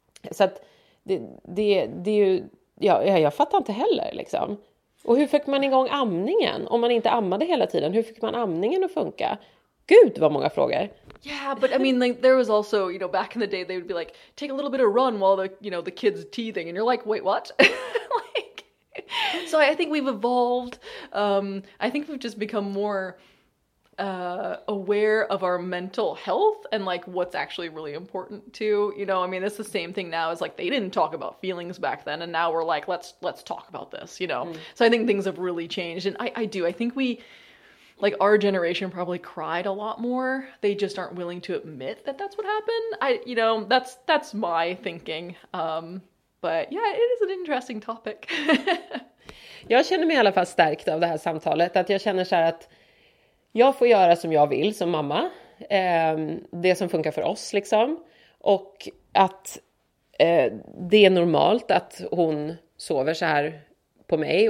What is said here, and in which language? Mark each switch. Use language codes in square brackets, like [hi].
[sv] Så att det är ju... Ja, jag fattar inte heller, liksom. Och hur fick man igång amningen om man inte ammade hela tiden? Hur fick man amningen att funka? Gud, vad många frågor. [en] Yeah, but I mean, like, there was also, you know, back in the day, they would be like, take a little bit of run while the kid's teething. And you're like, wait, what? Like, so I think we've evolved. I think we've just become more aware of our mental health and like what's actually really important too. You know, I mean, it's the same thing now as like they didn't talk about feelings back then. And now we're like, let's talk about this, you know? Mm. So I think things have really changed. And I do, I think we, like our generation probably cried a lot more. They just aren't willing to admit that that's what happened. That's my thinking. But yeah, it is an interesting topic. [sv] Jag känner mig i alla fall stärkt av det här samtalet. Att jag känner så här att jag får göra som jag vill som mamma. Det som funkar för oss liksom. Och att det är normalt att hon sover så här på mig.